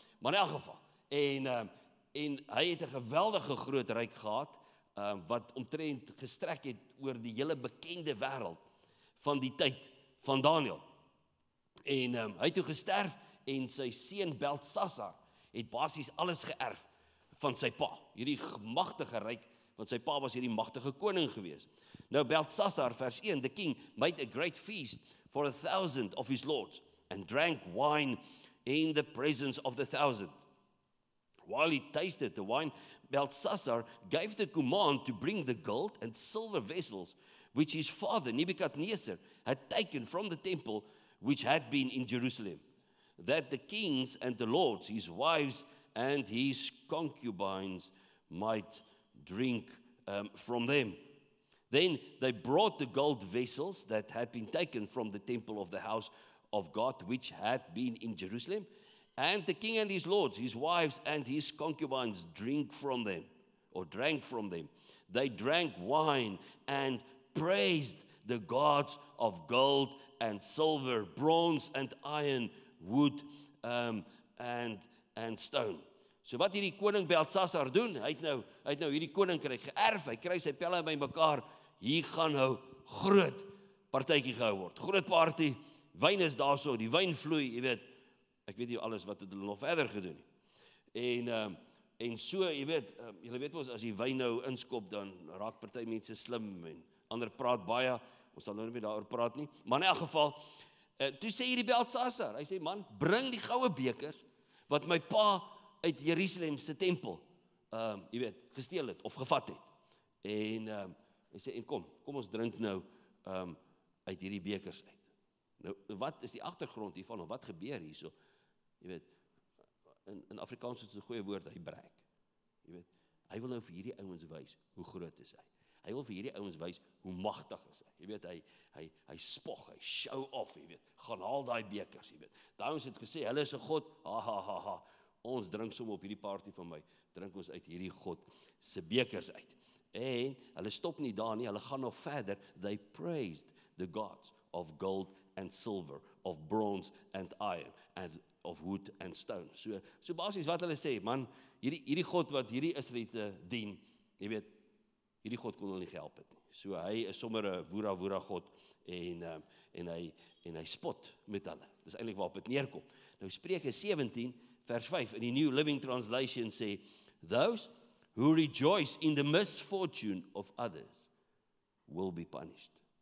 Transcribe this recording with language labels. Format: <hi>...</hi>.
<af>Maar in elk geval, en hy het 'n geweldige groot ryk gehad, wat omtrent gestrek het oor die hele bekende wêreld van die tyd van Daniël. En hy het toe gesterf, en sy seun Beltsasar het basies alles geërf van sy pa. Hierdie magtige ryk, want sy pa was hierdie magtige koning gewees. Nou, Beltsasar, vers 1,</af> <en>the king made a great feast for 1,000 of his lords and drank wine in the presence of 1,000. While he tasted the wine, Beltsasar gave the command to bring the gold and silver vessels which his father Nebukadneser had taken from the temple which had been in Jerusalem, that the kings and the lords, his wives and his concubines might drink from them. Then they brought the gold vessels that had been taken from the temple of the house of God, which had been in Jerusalem, and the king and his lords, his wives and his concubines drank from them. They drank wine and praised the gods of gold and silver, bronze and iron, wood and stone.</en> <af>So wat hierdie koning Beltsasar doen, hy het nou hierdie koninkryk geërf, hy kry sy pelle bymekaar. Hier gaan nou groot partytjie gehou word. Groot party, wyn is daar so, die wyn vloei, jy weet, ek weet nie alles wat het hulle nog verder gedoen nie. En so, jy weet, julle weet ons, as die wyn nou inskop, dan raak party mense slim, en ander praat baie, ons sal nou nie meer daarover praat nie, maar in elk geval, toe sê hierdie Beltsasar, hy sê, man, bring die goue bekers, wat my pa uit Jerusalem se tempel, jy weet, gesteel het, of gevat het, en hy sê, kom ons drink nou uit hierdie bekers uit. Nou, wat is die agtergrond hiervan, of wat gebeur hierso? Jy weet, in Afrikaans is het 'n goeie woord, hy breek. Jy weet, hy wil nou vir hierdie ouens wys, hoe groot is hy. Hy wil vir hierdie ouens wys hoe magtig is hy. Jy weet, hy spog, hy show off, jy weet. Gaan haal daai bekers, jy weet. Daai ouens het gesê, hulle is 'n god. Ha ha ha ha. Ons drink sommer op hierdie party van my. Drink ons uit hierdie god se bekers uit. En hulle stop nie daar nie, hulle gaan nog verder.</af> <en>They praised the gods of gold and silver, of bronze and iron, and of wood and stone.</en> <af>So basis wat hulle sê, man, hierdie god wat hierdie Israeliete dien, jy weet, hierdie god kon hulle nie help het nie. So hy is sommer 'n woera woera god en hy spot met hulle. Dis eintlik waarop dit neerkom. Nou Spreuke 17 vers 5 in die New Living Translation sê,</af> <en>those who rejoice in the misfortune of others will be punished.</en>